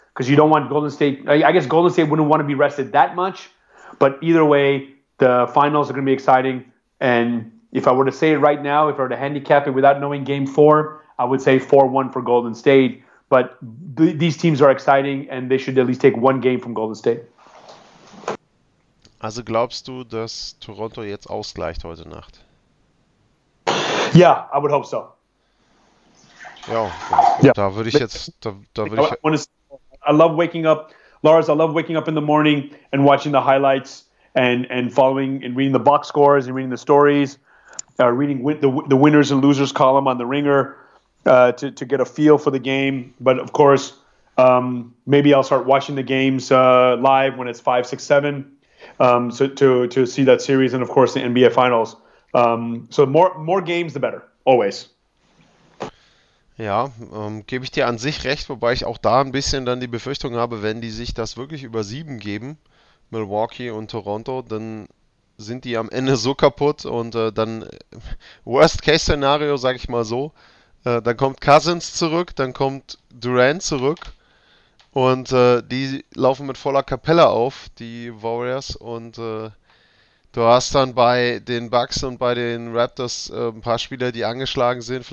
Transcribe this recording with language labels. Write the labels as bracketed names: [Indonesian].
[English] because you don't want Golden State. I guess Golden State wouldn't want to be rested that much. But either way, the finals are going to be exciting. And if I were to say it right now, if I were to handicap it without knowing game four, I would say 4-1 for Golden State. But these teams are exciting, and they should at least take one game from Golden State. [German] Also glaubst du, dass Toronto jetzt ausgleicht heute Nacht? [English] Yeah, I would hope so. [German] Ja, okay. [English] Yeah. I love waking up. Lars, I love waking up in the morning and watching the highlights and following and reading the box scores and reading the stories, reading the winners and losers column on the Ringer to get a feel for the game. But of course, maybe I'll start watching the games live when it's 5, 6, 7, so to see that series and of course the NBA Finals. So more games, the better, always. [German] Ja, gebe ich dir an sich recht, wobei ich auch da ein bisschen dann die Befürchtung habe, wenn die sich das wirklich über 7 geben, Milwaukee und Toronto, dann sind die am Ende so kaputt und dann, Worst-Case-Szenario, sage ich mal so, dann kommt Cousins zurück, dann kommt Durant zurück und die laufen mit voller Kapelle auf, die Warriors, und du hast dann bei den Bucks und bei den Raptors ein paar Spieler, die angeschlagen sind.